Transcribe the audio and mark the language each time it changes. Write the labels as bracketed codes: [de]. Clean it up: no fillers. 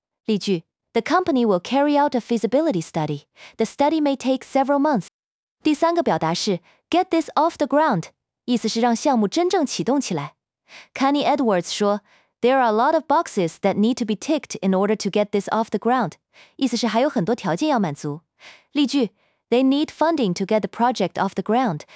[en] 例句，The company will carry out a feasibility study. The study may take several months. [zh] 第三个表达是 [en] get this off the ground, [zh] 意思是让项目真正启动起来。 [en] Kenny Edwards [zh] 说， [en] There are a lot of boxes that need to be ticked in order to get this off the ground. [zh] 意思是还有很多条件要满足。例句， [en] They need funding to get the project off the ground.